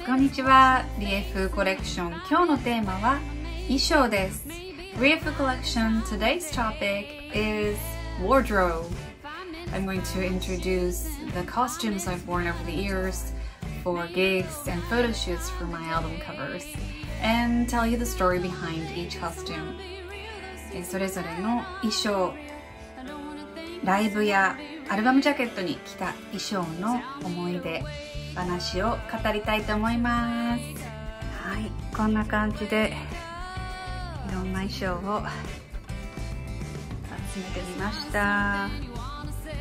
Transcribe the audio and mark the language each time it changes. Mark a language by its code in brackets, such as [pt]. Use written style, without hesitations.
[ja] ちは、リエフーコレクション。今日のテーマは衣装です。 [en] リエフーコレクション、Today's topic is wardrobe. I'm going to introduce the costumes I've worn over the years for gigs and photo shoots for my album covers and tell you the story behind each costume. [ja] それぞれの衣装、ライブやアルバムジャケットに着た衣装の思い出話を語りたいと思います。はい、こんな感じでいろんな衣装を集めてみました。